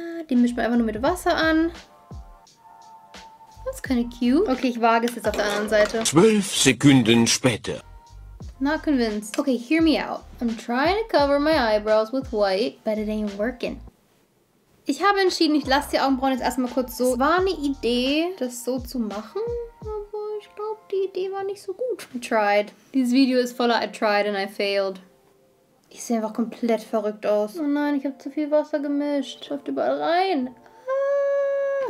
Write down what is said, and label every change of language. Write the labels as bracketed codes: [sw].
[de] Die mischt man einfach nur mit Wasser an. Das ist keine cute. Okay, ich wage es jetzt auf der anderen Seite. 12 Sekunden später. [en] Not convinced. Okay, hear me out. I'm trying to cover my eyebrows with white, but it ain't working. [de] Ich habe entschieden, ich lasse die Augenbrauen jetzt erstmal kurz so. Es war eine Idee, das so zu machen, aber ich glaube, die Idee war nicht so gut. [en] I tried. [de] Dieses Video ist voller [en] I tried and I failed. [de] Ich sehe einfach komplett verrückt aus. Oh nein, ich habe zu viel Wasser gemischt. Läuft überall rein. Ah.